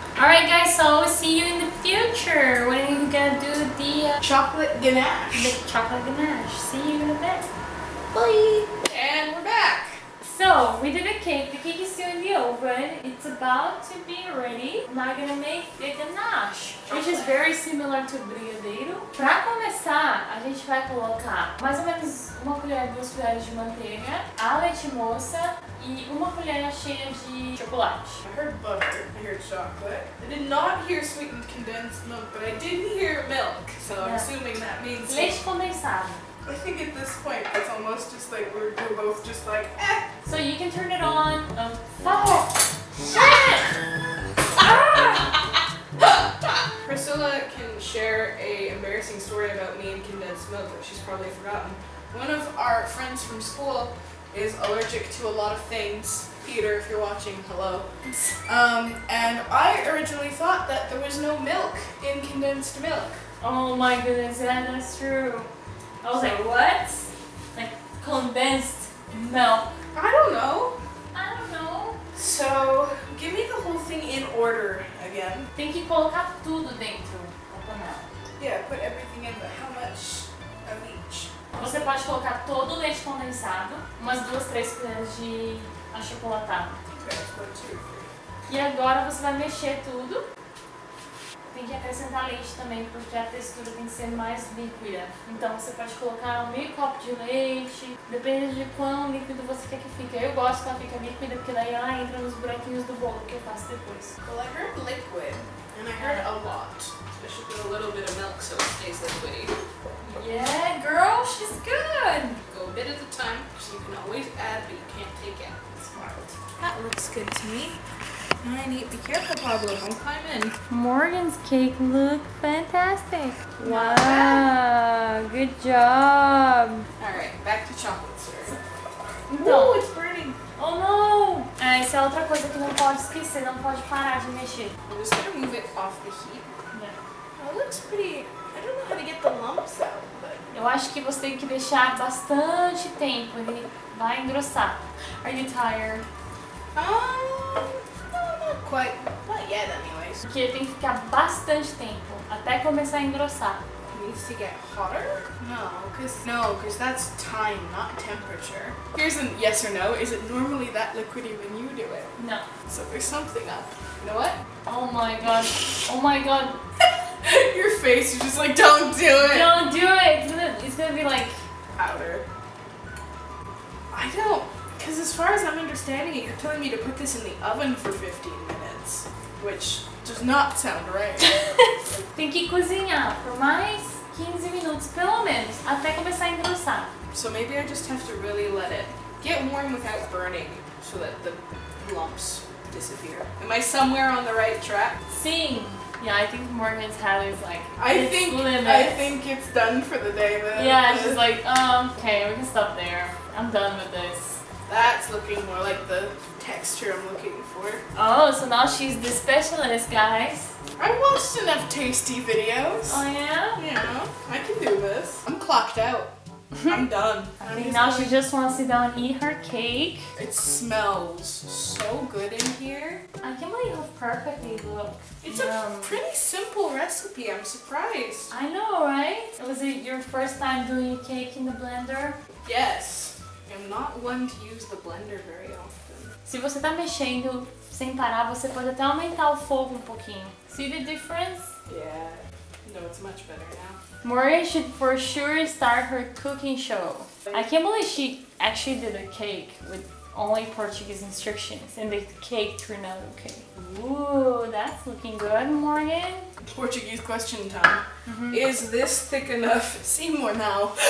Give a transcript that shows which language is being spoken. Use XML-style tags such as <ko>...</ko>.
<en>Alright guys, so we'll see you in the future when you're gonna do the... chocolate ganache. The chocolate ganache. See you in a bit. Bye! And we're back! So, we did a cake. The cake is still in the oven. It's about to be ready. Now I'm gonna make the ganache, which is very similar to brigadeiro.</en> <pt>Pra começar, a gente vai colocar mais ou menos uma colher, duas colheres de manteiga, a leite moça e uma colher cheia de chocolate.</pt> <en>I heard butter. I heard chocolate. I did not hear sweetened condensed milk, but I did hear milk. So I'm assuming that means...</en> <pt>Leite condensado.</pt> <en>I think at this point, it's almost just like we're both just like, eh! So you can turn it on. Oh, shit! Priscilla can share a embarrassing story about me and condensed milk that she's probably forgotten. One of our friends from school is allergic to a lot of things. Peter, if you're watching, hello. And I originally thought that there was no milk in condensed milk. Oh my goodness, yeah, that's true. I was like, what? Like, condensed milk. I don't know. So, give me the whole thing in order again.</en> <pt>Tem que colocar tudo dentro da panela.</pt> <en>Yeah, put everything in, but how much of each?</en> <pt>Você pode colocar todo o leite condensado, umas duas, três colheres de achocolatado.</pt> <en>Okay,</en> <pt>e agora você vai mexer tudo. Tem que acrescentar leite também, porque a textura tem que ser mais líquida. Então você pode colocar meio copo de leite, depende de quão líquido você quer que fique. Eu gosto que ela fique líquida, porque daí ela entra nos buraquinhos do bolo que eu faço depois.</pt> <en>Well, I heard liquid, and I heard a lot. I should put a little bit of milk so it stays liquidy. Yeah, girl, she's good! Go a bit at a time, so you can always add, but you can't take out. Smart. That looks good to me. I need to be careful, Pablo. Don't climb in. Morgan's cake looked fantastic. Wow. Good job. Alright, back to chocolate syrup. No, it's burning. Oh no.</en> <pt>Essa é outra coisa que não pode esquecer, não pode parar de mexer.</pt> <en>I'm just gonna move it off the heat. Yeah. It looks pretty... I don't know how to get the lumps out, but...</en> <pt>Eu acho que você tem que deixar bastante tempo, ele vai engrossar.</pt> <en>Are you tired? No, not quite. Not yet, anyways.</en> <pt>Porque ele tem que ficar bastante tempo, até começar a engrossar.</pt> <en>Needs to get hotter? No, because that's time, not temperature. Here's a yes or no. Is it normally that liquidy when you do it? No. So there's something up. You know what? Oh my god. Oh my god. Your face is just like, don't do it. Don't do it. It's gonna be like... outer. I don't... because as far as I'm understanding it, you're telling me to put this in the oven for 15 minutes. Which does not sound right.</en> <pt>Tem que cozinhar por mais 15 minutos, pelo menos, até começar a engrossar.</pt> <en>So maybe I just have to really let it get warm without burning, so that the lumps disappear. Am I somewhere on the right track? Sim. Yeah, I think Morgan's head is like, I think it's done for the day then. Yeah, she's like, okay, we can stop there. I'm done with this. That's looking more like the texture I'm looking for. Oh, so now she's the specialist, guys. I watched enough tasty videos. Oh yeah? Yeah, I can do this. I'm clocked out. I'm done. I think now she just wants to sit down and eat her cake. It smells so good in here. I can't believe how perfect they look. It's a pretty simple recipe, I'm surprised. I know, right? Was it your first time doing a cake in the blender? Yes. I'm not one to use the blender very often.</en> <pt>Se você tá mexendo sem parar, você pode até aumentar o fogo pouquinho.</pt> <en>See the difference? Yeah. No, it's much better now. Maria should for sure start her cooking show. I can't believe she actually did a cake with only Portuguese instructions and the cake turned out okay. Ooh, that's looking good, Morgan. Portuguese question time. Mm-hmm. Is this thick enough?</en> <pt>Sim ou não?</pt>